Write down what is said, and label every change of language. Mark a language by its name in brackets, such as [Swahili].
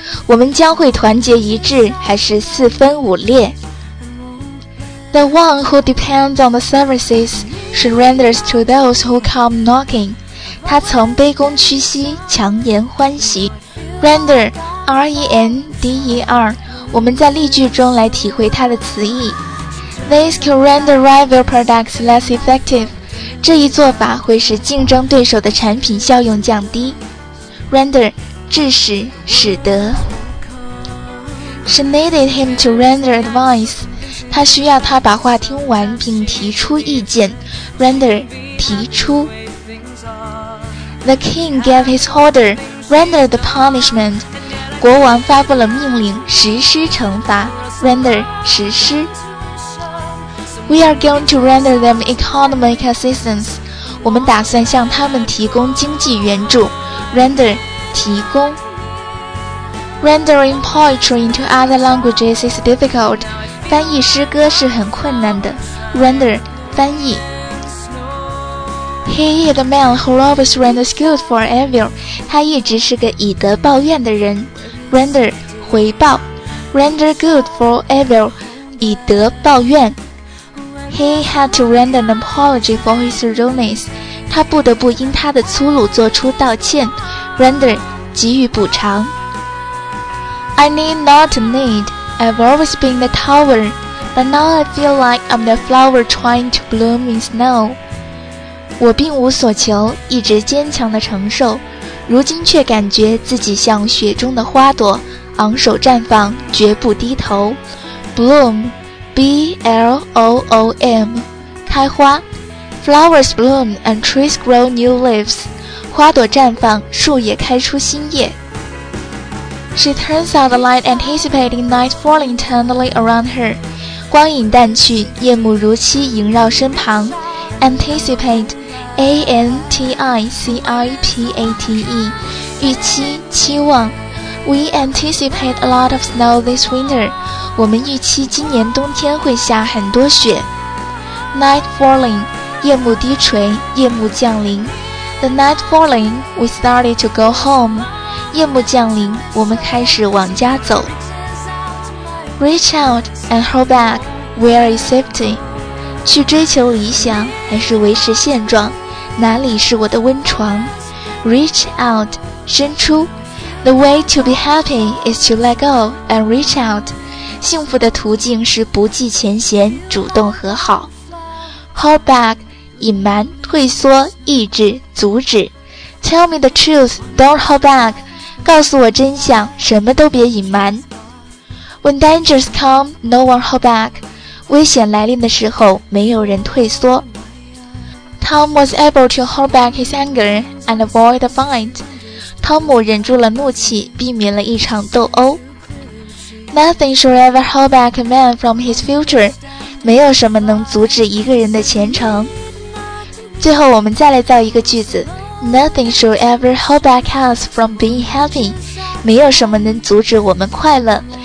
[Chinese] 我们将会团结一致，还是四分五裂？ [English] The one who depends on the services surrenders to those who come knocking. [Chinese] 他曾卑躬屈膝，强颜欢喜。 [English] Render, R-E-N-D-E-R. [Chinese] 我们在例句中来体会它的词义。 [English] This can render rival products less effective. [Chinese] 这一做法会使竞争对手的产品效用降低。 [English] Render, [Chinese] 致使、使得。 [English] She needed him to render advice. [Chinese] 她需要他把话听完并提出意见。 Render, 提出。 [English] The king gave his order, render the punishment. [Chinese] 国王发布了命令，实施惩罚。 [English] Render, [Chinese] 实施。 [English] We are going to render them economic assistance. [Chinese] 我们打算向他们提供经济援助。 [English] Render, [Chinese] 提供。 [English] Rendering poetry into other languages is difficult. [Chinese] 翻译诗歌是很困难的。Render, 翻译。 [English] He is the man who always renders good for evil. [Chinese] 他一直是个以德报怨的人。 Render, 回报。 [English] Render good for evil, [Chinese] 以德报怨。 [English] He had to render an apology for his rudeness. [Chinese] 他不得不因他的粗鲁做出道歉。 [English] Render, [Chinese] 给予补偿。 [English] I need not need. I've always been the tower, but now I feel like I'm the flower trying to bloom in snow. [Chinese] 我并无所求，一直坚强地承受，如今却感觉自己像雪中的花朵，昂首绽放，绝不低头。 [English] Bloom. B-L-O-O-M [Chinese] 开花 [English] Flowers bloom and trees grow new leaves [Chinese] 花朵绽放，树也开出新叶。 [English] She turns out the light anticipating night falling tenderly around her [Chinese] 光影淡去，夜幕如期萦绕身旁。 Anticipate A-N-T-I-C-I-P-A-T-E 预期，期望。 [English] We anticipate a lot of snow this winter. [Chinese] 我们预期今年冬天会下很多雪。 Night falling, 夜幕低垂，夜幕降临。 [English] The night falling, we started to go home. [Chinese] 夜幕降临，我们开始往家走。 [English] Reach out and hold back, where is safety? [Chinese] 去追求理想，还是维持现状？哪里是我的温床？Reach out, 伸出。 [English] The way to be happy is to let go and reach out. [Chinese] 幸福的途径是不计前嫌，主动和好。 Hold back, 隐瞒、退缩、抑制、阻止。 [English] Tell me the truth, don't hold back. [Chinese] 告诉我真相，什么都别隐瞒。 [English] When dangers come, no one hold back. [Chinese] 危险来临的时候，没有人退缩。 [English] Tom was able to hold back his anger and avoid a fight. [Chinese] 汤姆忍住了怒气，避免了一场斗殴。 [English] Nothing should ever hold back a man from his future. [Chinese] 没有什么能阻止一个人的前程。最后我们再来造一个句子。 [English] Nothing should ever hold back us from being happy. [Chinese] 没有什么能阻止我们快乐。